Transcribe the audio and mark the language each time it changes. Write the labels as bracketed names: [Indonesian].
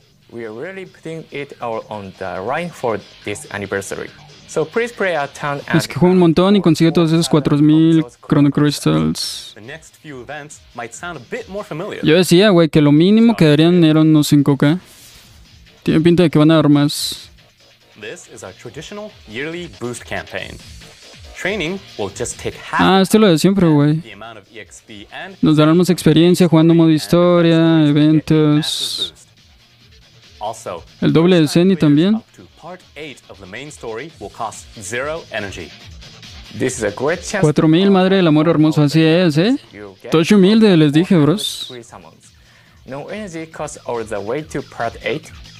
[English] We are really putting it all on the line for this anniversary. So please pray a ton. [Spanish] Es que juega un montón y consigue todos esos 4,000 Chrono Crystals. [English] The next few events might sound a bit more familiar. [Spanish] Yo decía, güey, que lo mínimo que darían eran unos 5K. Tiene pinta de que van a dar más. [English] This is our traditional yearly boost campaign. Training will just take half. [Spanish] Ah, esto es lo de siempre, güey. Nos darán más experiencia jugando modo historia, eventos. [English] Also, [Spanish] el doble de Zenny también. [English] Part 8 of the main story will cost 0 energy. This is a great chance. [Spanish] 4,000, madre del amor hermoso, así es, ¿eh? Todo humilde, les dije, bros. [English] No energy costs all the way to part 8.